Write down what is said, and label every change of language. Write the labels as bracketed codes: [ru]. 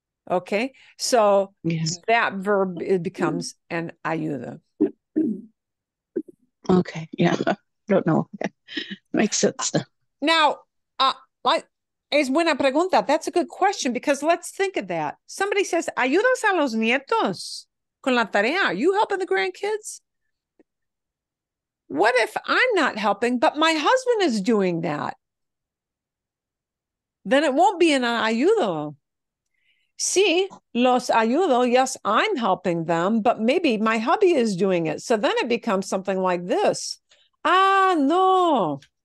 [en] Okay, so yes. That verb, it becomes an ayuda. Okay, yeah, I don't know. Makes sense. [es] Now, es buena pregunta. [en] That's a good question, because let's think of that. Somebody says, [es] ¿Ayudas a los nietos con la tarea? [en] Are you helping the grandkids? What if I'm not helping, but my husband is doing that? Then it won't be an ayudo. [es] Sí, los ayudo. [en] Yes, I'm helping them, but maybe my hubby is doing it. So then it becomes something like this. Ah, no.